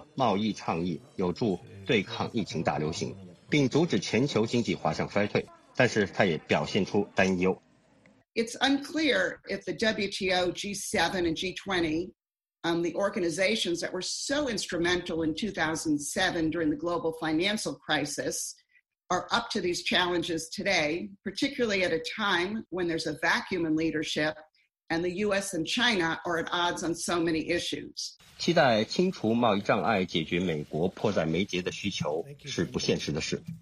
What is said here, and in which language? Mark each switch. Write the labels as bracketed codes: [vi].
[zh] 一些贸易专家就在探讨如何在世界贸易组织的框架之下约束各国的贸易限制行为。亚洲协会政策研究所的副总裁、前美国贸易谈判代表温迪·卡特勒在二十国集团特别峰会前夕的一个电话讨论会上就如何采取行动阻止日益扩大的医疗器材出口限制谈了自己的看法。卡特勒说，国际间有越来越强的共识，认为形成一个贸易倡议有助对抗疫情大流行， [en] It's unclear if the WTO, G7, and G20, the organizations that were so instrumental in 2007 during the global financial crisis, are up to these challenges today, particularly at a time when there's a vacuum in leadership and the U.S. and China are at odds on so many issues. [zh] 期待清除贸易障碍解决美国迫在眉睫的需求是不现实的事。